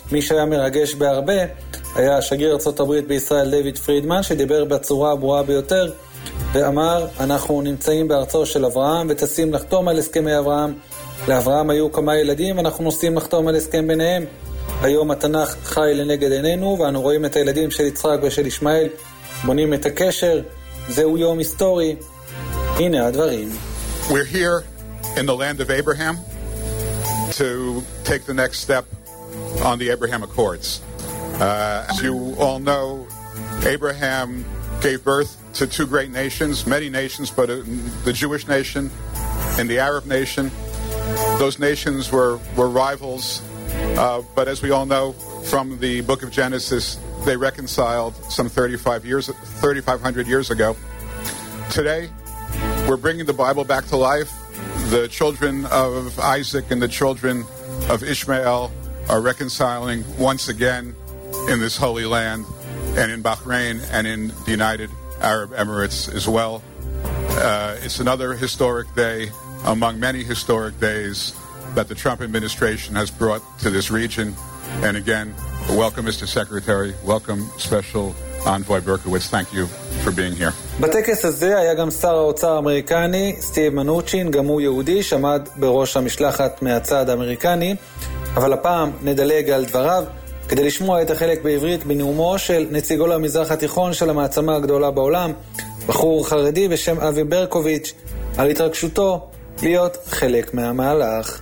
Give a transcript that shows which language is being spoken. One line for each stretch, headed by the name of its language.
Hebrew: מי שהיה מרגש בהרבה היה שגריר ארצות הברית בישראל דיוויד פרידמן, שדיבר בצורה הברורה ביותר ואמר, אנחנו נמצאים בארצו של אברהם וטסים לחתום על הסכמי אברהם. לאברהם היו כמה ילדים, אנחנו נוסעים לחתום על הסכם ביניהם. היום התנך חי לנגד עינינו, ואנו רואים את הילדים של יצחק ושל ישמעאל בונים את הקשר. זהו יום היסטורי. הנה הדברים.
English: We're here in the land of Abraham to take the next step on the Abraham Accords. As you all know, Abraham gave birth to two great nations, many nations, but the Jewish nation and the Arab nation. Those nations were rivals, but as we all know from the book of Genesis, they reconciled some 3,500 years ago. Today, we're bringing the Bible back to life. The children of Isaac and the children of Ishmael are reconciling once again in this holy land and in Bahrain and in the United Arab Emirates as well. It's another historic day among many historic days that the Trump administration has brought to this region. And again, welcome, Mr. Secretary. Welcome, Special Envoy Berkowitz. Thank you for being here.
Hebrew: בטקס הזה היה גם שר האוצר האמריקני, סטיב מנוצ'ין, גם הוא יהודי, שעמד בראש המשלחת מהצד האמריקני. אבל הפעם נדלג על דבריו, כדי לשמוע את החלק בעברית בנאומו של נציגו למזרח התיכון של המעצמה הגדולה בעולם, בחור חרדי בשם אבי ברקוביץ', על התרגשותו להיות חלק מהמהלך.